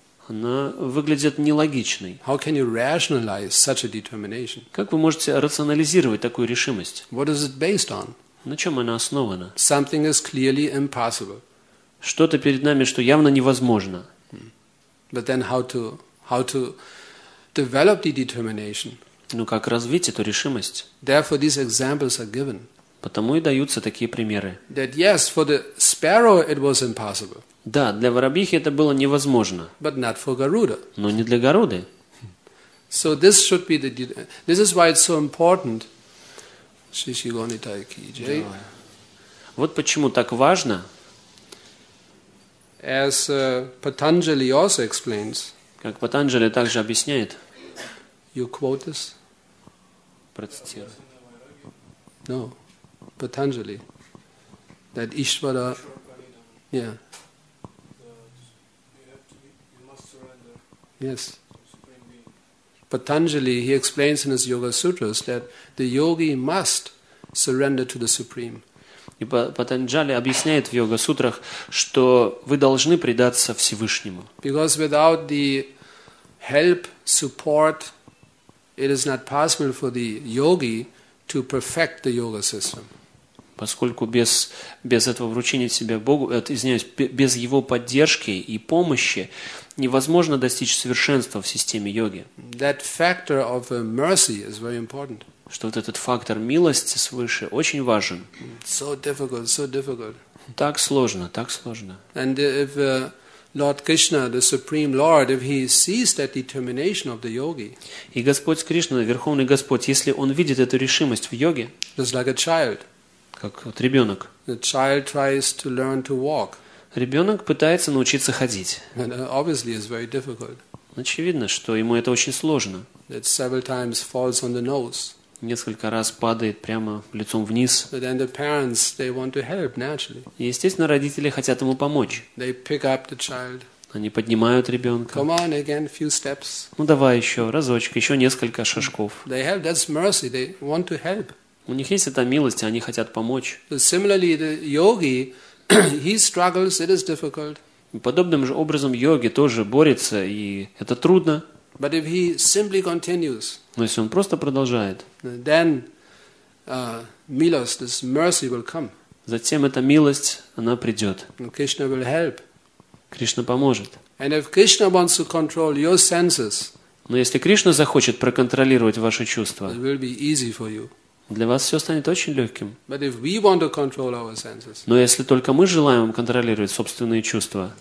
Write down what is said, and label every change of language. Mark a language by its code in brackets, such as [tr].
[ru] Она выглядит нелогичной. [en] How can you rationalize such a determination? [ru] Как вы можете рационализировать такую решимость? [en] What is it based on? [ru] На чем она основана? [en] Something is clearly impossible. [ru] Что-то перед нами, что явно невозможно. [en] But then how to develop the determination. [ru] Ну, как развить эту решимость? [en] Therefore, these examples are given. [ru] Потому и даются такие примеры. [en] That yes, for the sparrow it was impossible. [ru] Да, для воробьихи это было невозможно. [en] But not for Garuda. [ru] Но не для Гаруды. [en] So this should be the... This is why it's so important. Шишигонитай Киджей. [ru] Вот почему так важно. [en] As Patanjali also explains, [ru] как Патанджали также объясняет. [en] You quote this? [ru] Процитирую. [en] No. Патанджали. That Ishvara... Yeah. Yes. Patanjali, he explains in his Yoga Sutras that the yogi must surrender to the Supreme. [ru] И Патанджали объясняет в Йога Сутрах, что вы должны предаться Всевышнему. [en] Because without the help, support, it is not possible for the yogi to perfect the yoga system. [ru] Поскольку без этого вручения себя Богу, без его поддержки и помощи, невозможно достичь совершенства в системе йоги. [en] That factor of mercy is very important. [ru] Что вот этот фактор милости свыше очень важен. [en] So difficult, so difficult. [ru] Так сложно, так сложно. [en] And if Lord Krishna, the Supreme Lord, if he sees that determination of the yogi, [ru] и Господь Кришна, Верховный Господь, если он видит эту решимость в йоге, [en] just like a child, [ru] как вот ребенок, [en] the child tries to learn to walk, [ru] ребенок пытается научиться ходить, [en] and obviously it's very difficult. [ru] Очевидно, что ему это очень сложно. [en] It several times falls on the nose. [ru] Несколько раз падает прямо лицом вниз. [en] Then the parents, they want to help, naturally. [ru] Естественно, родители хотят ему помочь. [en] They pick up the child. [ru] Они поднимают ребенка. [en] Come on, again, few steps. [ru] Ну давай еще разочек, еще несколько шажков. [en] They help, that's mercy. They want to help. [ru] У них есть эта милость, они хотят помочь. [en] So similarly, the yogi, he struggles, it is difficult. [ru] Подобным же образом йоги тоже борется, и это трудно. [en] But if he simply continues, [ru] но если он просто продолжает, [en] then milos, this mercy will come. [ru] Затем эта милость, она придет. [en] And Krishna will help. [ru] Кришна поможет. [en] And if Krishna wants to control your senses, [ru] но если Кришна захочет проконтролировать ваши чувства, [en] it will be easy for you. [ru] Для вас все станет очень легким. [en] But if we want to control our senses, [ru] но если только мы желаем контролировать собственные чувства,